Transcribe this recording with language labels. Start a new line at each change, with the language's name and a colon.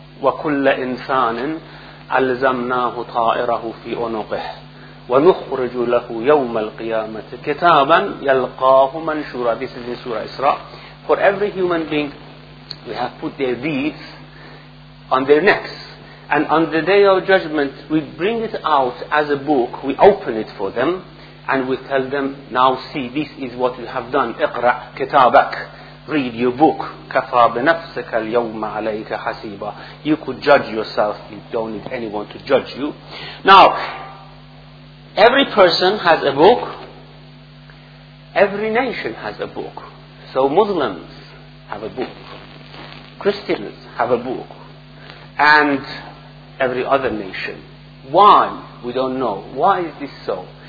Arabic: وَكُلَّ إِنسَانٍ أَلْزَمْنَاهُ طَائِرَهُ فِي أُنُقِهِ وَنُخْرِجُ لَهُ يَوْمَ الْقِيَامَةِ كِتَابًا يَلْقَاهُ مَنْشُورًا.
English: This is in Surah Isra. For every human being, we have put their deeds on their necks. And on the day of judgment, we bring it out as a book, we open it for them, and we tell them, now see, this is what you have done.
Arabic: اقرأ كتابك.
English: Read your book.
Arabic: كفى بنفسك اليوم عليك حسيبا.
English: You could judge yourself, you don't need anyone to judge you. Now, every person has a book. Every nation has a book. So Muslims have a book. Christians have a book. And every other nation. Why? We don't know. Why is this so?